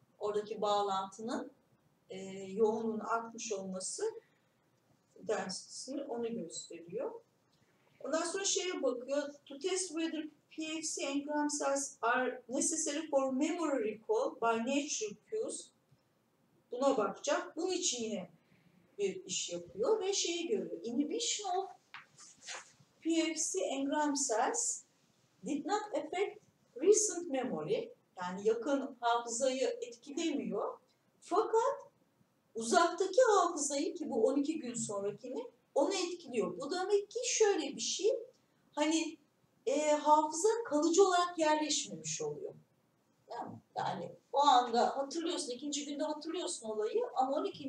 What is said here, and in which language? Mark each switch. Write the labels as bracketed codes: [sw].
[tr] Oradaki bağlantının yoğunluğun artmış olması densitesini, onu gösteriyor. Ondan sonra şeye bakıyor, [en] to test whether PFC engram cells are necessary for memory recall by natural cues. [tr] Buna bakacak. Bunun için yine bir iş yapıyor ve şeyi görüyor. [en] Inhibition of PFC engram cells did not affect recent memory. [tr] Yani yakın hafızayı etkilemiyor. Fakat uzaktaki hafızayı, ki bu 12 gün sonrakini, onu etkiliyor. Bu demek ki şöyle bir şey, hani hafıza kalıcı olarak yerleşmemiş oluyor. Yani o anda hatırlıyorsun, ikinci günde hatırlıyorsun olayı ama 12.